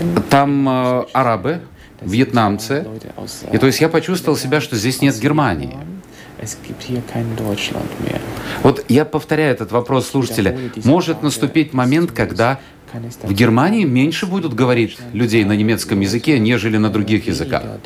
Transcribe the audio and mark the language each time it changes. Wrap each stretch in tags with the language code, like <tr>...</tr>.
<ru>Там арабы, вьетнамцы. И то есть я почувствовал себя, что здесь нет Германии.</ru> <de>Es gibt hier kein Deutschland mehr.</de> <ru>Вот я повторяю этот вопрос слушателя. Может наступить момент, когда в Германии меньше будут говорить людей на немецком языке, нежели на других языках?</ru>